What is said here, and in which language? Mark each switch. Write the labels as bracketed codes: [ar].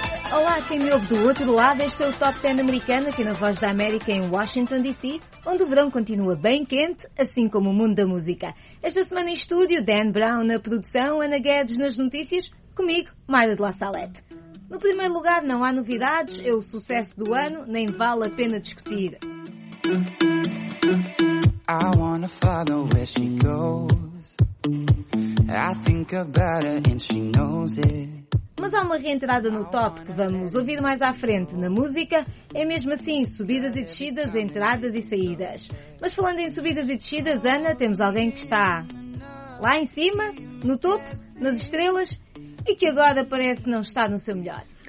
[pt] Olá, quem me ouve do outro lado, este é o Top 10 americano aqui na Voz da América em Washington, D.C., onde o verão continua bem quente, assim como o mundo da música. Esta semana em estúdio, Dan Brown na produção, Ana Guedes nas notícias, comigo, Mayra de La Salette. No primeiro lugar, não há novidades, é o sucesso do ano, nem vale a pena discutir. [en] I wanna follow where she goes. I think about her and she knows it. [pt] Mas há uma reentrada no top que vamos ouvir mais à frente. Na música, é mesmo assim, subidas e descidas, entradas e saídas. Mas falando em subidas e descidas, Ana, temos alguém que está lá em cima, no topo, nas estrelas, e que agora parece não estar no seu melhor.